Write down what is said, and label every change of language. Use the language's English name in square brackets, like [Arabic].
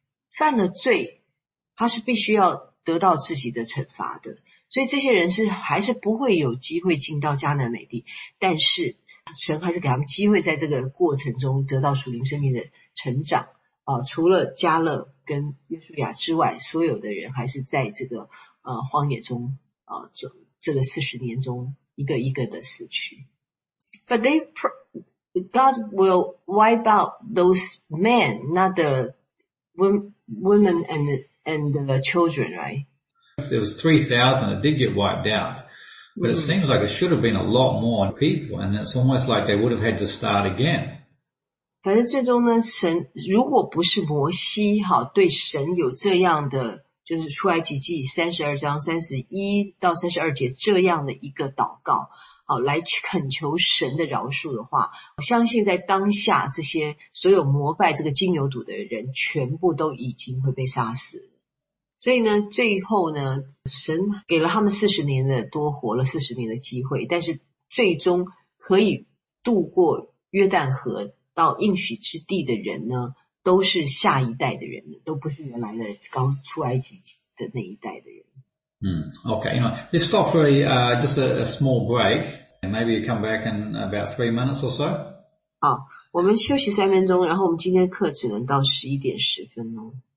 [Chinese] 犯了罪他是必须要得到自己的惩罚的，所以这些人是还是不会有机会进到迦南美地，但是神还是给他们机会在这个过程中得到属灵生命的成长，哦，除了加勒跟约书亚之外，所有的人还是在这个荒野中，这个40年中一个一个的死去。 [English] But they God will wipe out those men, not the women and the children, right? There was 3,000, it did get wiped out, but it seems like it should have been a lot more people, and it's almost like they would have had to start again. [Chinese] 反正最终呢，神如果不是摩西哈对神有这样的，就是出埃及记32章31到32节这样的一个祷告，好，来恳求神的饶恕的话，我相信在当下这些所有膜拜这个金牛犊的人全部都已经会被杀死。所以呢，最后呢，神给了他们40年的多活了40年的机会，但是最终可以渡过约旦河到应许之地的人呢，都是下一代的人，都不是原来的刚出埃及的那一代的人。 [English] Okay, anyway, let's stop for a small break, and maybe you come back in about 3 minutes or so. [Chinese] 好，我们休息3分钟，然后我们今天课只能到11:10哦。